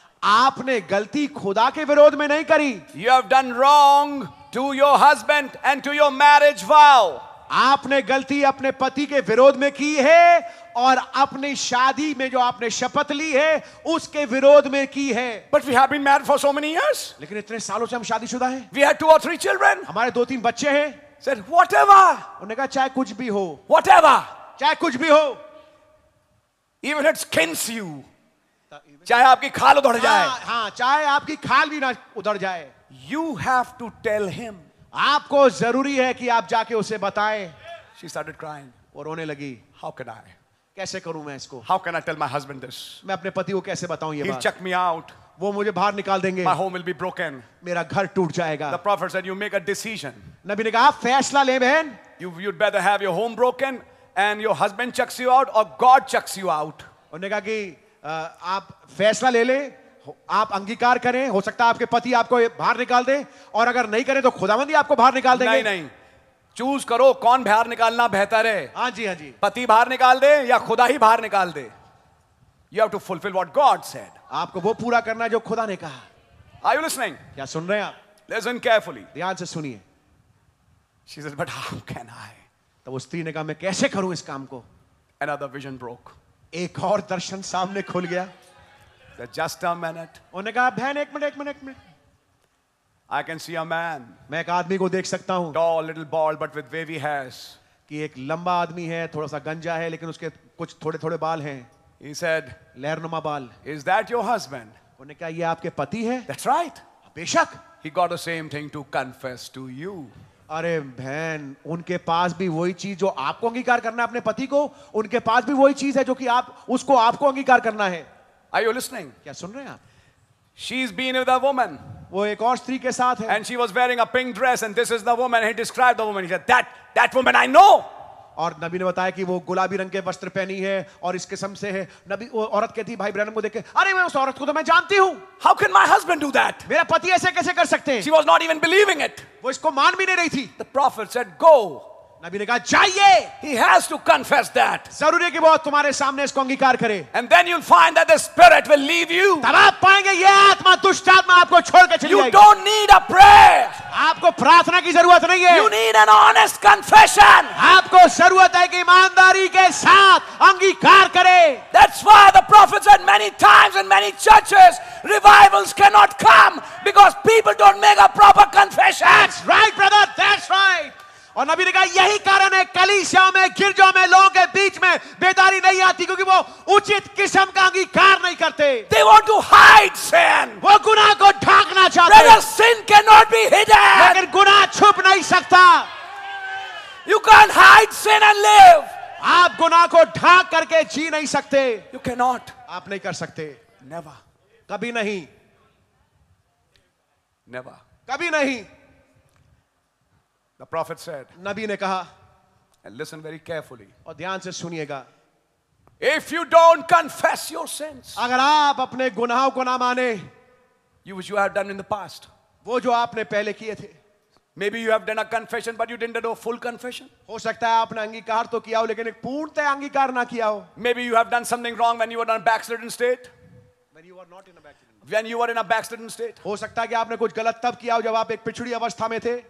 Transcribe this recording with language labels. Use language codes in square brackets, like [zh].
[hi] आपने गलती खुदा के विरोध में नहीं करी. [en] You have done wrong to your husband and to your marriage vow. [hi] आपने गलती अपने पति के विरोध में की है और अपनी शादी में जो आपने शपथ ली है उसके विरोध में की है. [en] But we have been married for so many years. [hi] लेकिन इतने सालों से हम शादीशुदा हैं. [en] We had two or three children. [hi] हमारे दो तीन बच्चे हैं. [en] Said whatever. [hi] उन्हें कहा चाहे कुछ भी हो. [en] Whatever. [hi] चाहे कुछ भी हो. [en] Even it skins you. [hi] चाहे आपकी खाल उधड़ जाए. हाँ, चाहे आपकी खाल भी ना उधड़ जाए. [en] You have to tell him. [hi] आपको जरूरी है कि आप जाके उसे बताएं. [en] She started crying. [hi] वो रोने लगी. [en] How can I? [hi] कैसे करूं मैं इसको? [en] How can I tell my husband this? [hi] मैं अपने पति को कैसे बताऊं ये बात? [en] He'll chuck me out. [hi] वो मुझे बाहर निकाल देंगे. [en] My home will be broken. [hi] मेरा घर टूट जाएगा. [en] The prophet said, "You make a decision." [hi] नबी ने कहा, आप फैसला ले बहन. [en] You'd better have your home broken and your husband chucks you out, or God chucks you out. [hi] उन्होंने कहा कि आप फैसला ले ले, आप अंगीकार करें, हो सकता है आपके पति आपको बाहर निकाल दे, और अगर नहीं करें तो खुदावंद ही आपको बाहर निकाल देंगे. नहीं नहीं, चूज करो कौन बाहर निकालना बेहतर है. हाँ जी, हाँ जी, पति बाहर निकाल दे या खुदा ही बाहर निकाल दे. [en] You have to fulfil what God said. [hi] आपको वो पूरा करना है जो खुदा ने कहा. [en] Are you listening? [hi] क्या सुन रहे हैं आप? [en] listen carefully, [hi] ध्यान से सुनिए. [en] She said, but how can I? [hi] तो उस स्त्री ने कहा, मैं कैसे करूं इस काम को? [en] Another vision broke. [hi] एक और दर्शन सामने खुल गया. [en] Just a minute. [hi] उन्होंने कहा, बहन एक मिनट, एक मिनट, एक minute. [en] I can see a man. [hi] मैं एक आदमी को देख सकता हूँ. [en] Tall, little, bald, but with wavy hairs. [hi] कि एक लंबा आदमी है, थोड़ा सा गंजा है, लेकिन उसके कुछ थोड़े-थोड़े बाल हैं. [en] He said, [hi] लहरनुमा बाल. [en] Is that your husband? [hi] उन्होंने कहा, ये आपके पति हैं? [en] That's right. [hi] बेशक. [en] He got the same thing to confess to you. [hi] अरे बहन, उनके पास भी वही चीज जो आपको अंगीकार करना है अपने पति को, उनके पास भी वही चीज है जो कि आप उसको आपको अंगीकार करना है. [en] Are you listening? [hi] क्या सुन रहे हैं आप? [en] She's been with a woman. [hi] वो एक और स्त्री के साथ है. [en] And she was wearing a pink dress, and this is the woman. He described the woman. He said, that woman I know. [hi] और नबी ने बताया कि वो गुलाबी रंग के वस्त्र पहनी है और इस किस्म से है. नबी वो औरत कहती, भाई ब्रैनम को देखे, अरे मैं उस औरत को तो मैं जानती हूँ. [en] How can my husband do that? [hi] मेरा पति ऐसे कैसे कर सकते हैं? [en] She was not even believing it. [hi] वो इसको मान भी नहीं रही थी. [en] The prophet said, go. [hi] नबी ने कहा, जाइए. [en] He has to confess that. [hi] जरूरी है कि वो तुम्हारे सामने इसको अंगीकार करे. [en] And then you'll find that the spirit will leave you. [hi] तब आप पाएंगे ये आत्मा, दुष्ट आत्मा आपको छोड़ के चली जाएगी. [en] You don't need a prayer. [hi] आपको प्रार्थना की जरूरत नहीं है. [en] You need an honest confession. [hi] आपको जरूरत है कि ईमानदारी के साथ अंगीकार करे. [en] That's why the prophets said many times in many churches, revivals cannot come because people don't make a proper confession. That's right, brother. That's right. [hi] और नबी ने कहा, यही कारण है कलीसियाओं में, गिरजों में, लोगों के बीच में बेदारी नहीं आती, क्योंकि वो उचित किस्म का अंगीकार नहीं करते. [en] They want to hide sin. [hi] वो गुनाह को ढांकना चाहते. [en] Brother, sin cannot be hidden. [hi] लेकिन गुनाह छुप नहीं सकता. [en] You can't hide sin and live. [hi] आप गुनाह को ढांक करके जी नहीं सकते. [en] You cannot. [hi] आप नहीं कर सकते. [en] Never. [hi] कभी नहीं. [en] Never. [hi] कभी नहीं. [en] The prophet said. [hi] नबी ने कहा. [en] And listen very carefully. [hi] और ध्यान से सुनिएगा. [en] If you don't confess your sins. [hi] अगर आप अपने गुनाहों को ना माने. [en] You have done in the past. [hi] वो जो आपने पहले किए थे. [en] Maybe you have done a confession, but you didn't do a full confession. [hi] हो सकता है आपने अंगीकार तो किया हो, लेकिन एक पूर्णतः अंगीकार ना किया हो. [en] Maybe you have done something wrong when you were in a backslidden state. When you were not in a backslidden. When you were in a backslidden state. [hi] हो सकता है कि आपने कुछ गलत तब किया हो जब आप एक पिछड़ी अवस्था में थे.